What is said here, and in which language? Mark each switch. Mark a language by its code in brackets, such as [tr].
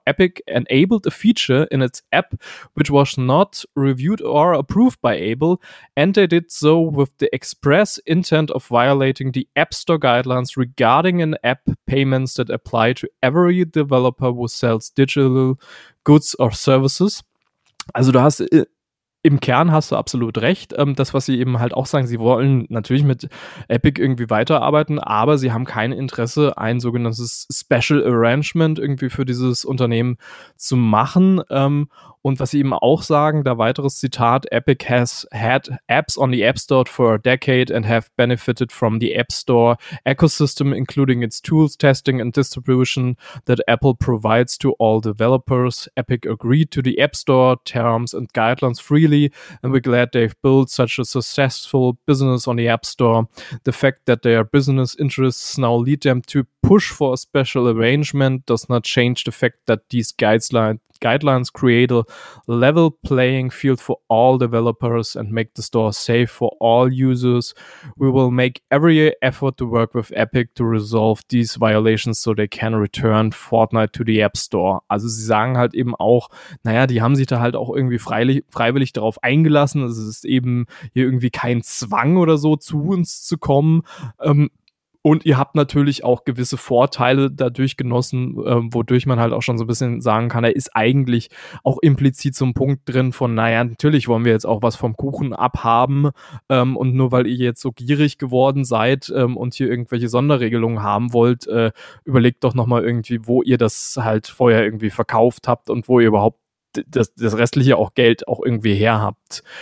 [en] Epic enabled a feature in its app which was not reviewed or approved by Apple, and they did so with the express intent of violating the App Store guidelines regarding an app payments that apply to every developer who sells digital goods or services. [de] Also du hast im Kern hast du absolut recht. Das, was sie eben halt auch sagen, sie wollen natürlich mit Epic irgendwie weiterarbeiten, aber sie haben kein Interesse, ein sogenanntes Special Arrangement irgendwie für dieses Unternehmen zu machen. Und was sie eben auch sagen, da weiteres Zitat, [en] Epic has had apps on the App Store for a decade and have benefited from the App Store ecosystem, including its tools, testing and distribution that Apple provides to all developers. Epic agreed to the App Store terms and guidelines freely, and we're glad they've built such a successful business on the App Store. The fact that their business interests now lead them to push for a special arrangement does not change the fact that these guidelines create a level playing field for all developers and make the store safe for all users. We will make every effort to work with Epic to resolve these violations so they can return Fortnite to the App Store. [de] Also sie sagen halt eben auch, naja, die haben sich da halt auch irgendwie freiwillig darauf eingelassen. Also es ist eben hier irgendwie kein Zwang oder so, zu uns zu kommen. Und ihr habt natürlich auch gewisse Vorteile dadurch genossen, wodurch man halt auch schon so ein bisschen sagen kann, da ist eigentlich auch implizit so ein Punkt drin von, naja, natürlich wollen wir jetzt auch was vom Kuchen abhaben, und nur weil ihr jetzt so gierig geworden seid und hier irgendwelche Sonderregelungen haben wollt, überlegt doch nochmal irgendwie, wo ihr das halt vorher irgendwie verkauft habt und wo ihr überhaupt das restliche auch Geld auch irgendwie her habt.